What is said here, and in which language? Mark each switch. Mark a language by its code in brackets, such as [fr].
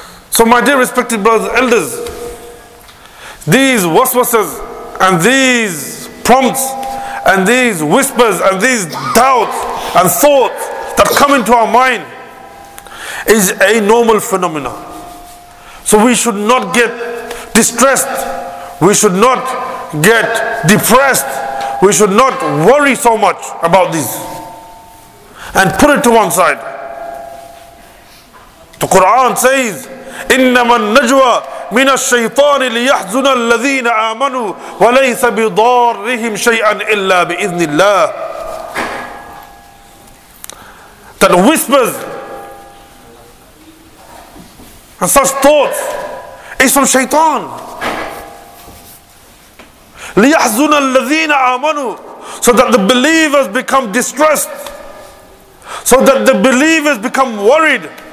[en] So my dear respected brothers, elders, these waswasas and these prompts and these whispers and these doubts and thoughts that come into our mind is a normal phenomenon. So we should not get distressed. We should not get depressed. We should not worry so much about this. And put it to one side. The Quran says, [ar] إِنَّمَا النَّجْوَى مِنَ الشَّيْطَانِ لِيَحْزُنَ الَّذِينَ آمَنُوا وَلَيْسَ بِضَارِّهِمْ شَيْئًا إِلَّا بِإِذْنِ اللَّهِ. [en] That whispers and such thoughts is from shaitan. [ar] لِيَحْزُنَ الَّذِينَ آمَنُوا, [en] so that the believers become distressed, so that the believers become worried.